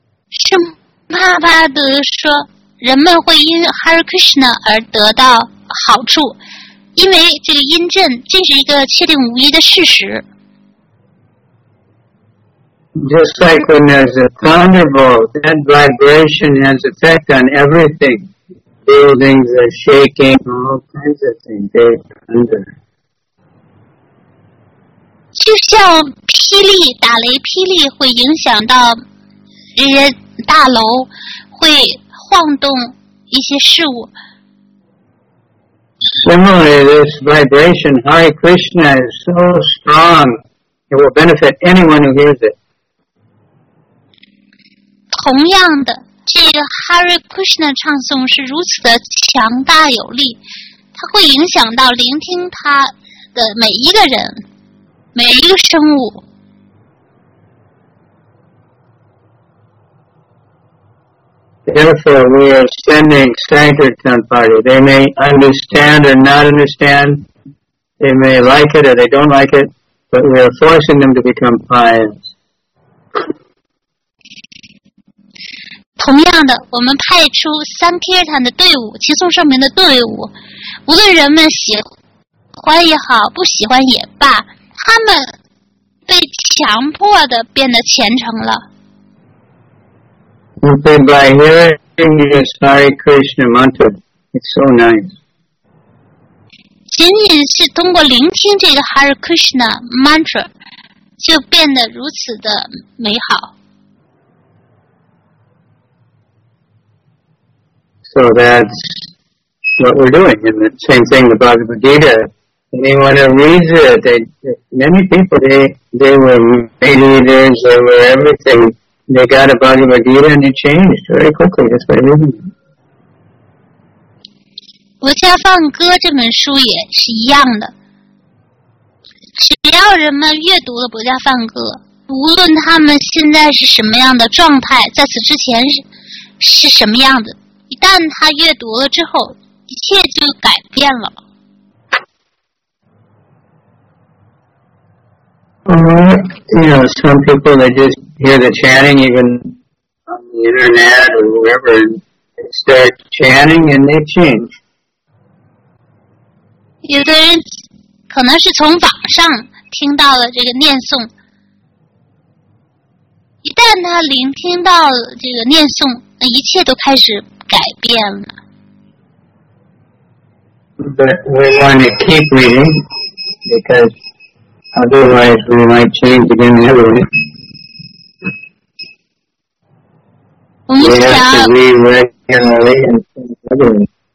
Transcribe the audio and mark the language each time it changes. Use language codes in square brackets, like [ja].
[zh] 圣帕帕德说，人们会因 Hare Krishna 而得到好处，因为这个音震，这是一个确定无疑的事实。 [en] Just like when there's a thunderbolt, that vibration has effect on everything. Buildings are shaking, all kinds of things, they thunder. [zh] 就像霹雳，打雷霹雳会影响到这些大楼，会晃动一些事物。 [en] Similarly, this vibration, Hare Krishna, is so strong, it will benefit anyone who hears it. [zh] 同样的，这个 Hare Krishna 唱诵是如此的强大有力，它会影响到聆听它的每一个人，每一个生物。 [en] Therefore, we are sending Sankirtan party. They may understand or not understand. They may like it or they don't like it, but we are forcing them to become pious. [zh] 同样的，我们派出Sankirtan的队伍，齐颂圣名的队伍，无论人们喜欢也好，不喜欢也罢，他们被强迫的变得虔诚了。 [en] Okay, by hearing this Hare Krishna mantra, it's so nice. [zh] 仅仅是通过聆听这个 Hare Krishna mantra, 就变得如此的美好。 [en] So that's what we're doing. And the same thing, the Bhagavad Gita. Anyone who reads it, many people, they were made readers, they were everything. They got a Bhagavad Gita and it changed very quickly just by reading it. [zh] 国家放歌这本书也是一样的。只要人们阅读了国家放歌，无论他们现在是什么样的状态，在此之前是什么样的，一旦他阅读了之后，一切就改变了。 [en] You know, some people they just hear the chanting even on the internet or wherever, they start chanting and they change. [zh] 有的人可能是从网上听到了这个念诵，一旦他聆听到了这个念诵，那一切都开始改变了。 [en] But we want to keep reading because otherwise we might change again anyway. We have to read regularly and change regularly.